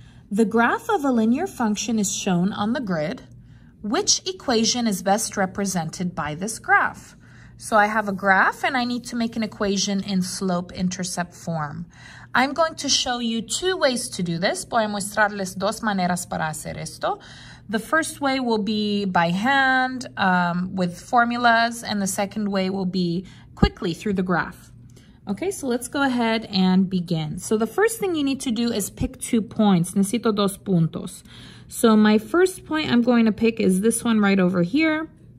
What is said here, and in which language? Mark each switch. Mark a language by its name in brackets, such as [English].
[English] The graph of a linear function is shown on the grid. Which equation is best represented by this graph? So I have a graph and I need to make an equation in slope-intercept form. I'm going to show you two ways to do this. [Spanish] Voy a mostrarles dos maneras para hacer esto. [English] The first way will be by hand with formulas, and the second way will be quickly through the graph. Okay, so let's go ahead and begin. So the first thing you need to do is pick two points. [Spanish] Necesito dos puntos. [English] So my first point I'm going to pick is this one right over here.